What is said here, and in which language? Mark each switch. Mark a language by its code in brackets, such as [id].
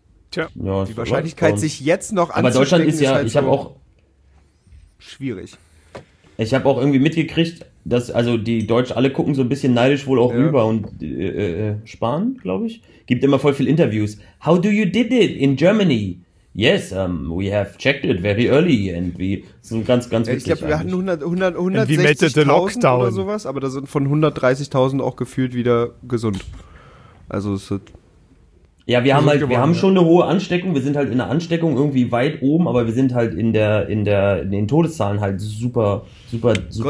[de] Tja, ja, die Wahrscheinlichkeit, sich jetzt noch anzustecken. Aber Deutschland ist ja, halt ich habe so auch. Schwierig. Ich habe auch irgendwie mitgekriegt, dass, also die Deutschen alle gucken so ein bisschen neidisch wohl auch rüber und Spahn, glaube ich. Gibt immer voll viel Interviews. [en] How do you did it in Germany? Yes, we have checked it very early and we. [de] So ganz, ganz witzig. Ich glaube, wir hatten 160.000 oder sowas, aber da sind von 130.000 auch gefühlt wieder gesund. Also es wird. Ja, wir haben halt, geworden, wir haben schon eine hohe Ansteckung, wir sind halt in der Ansteckung irgendwie weit oben, aber wir sind halt in den Todeszahlen halt super, super, super.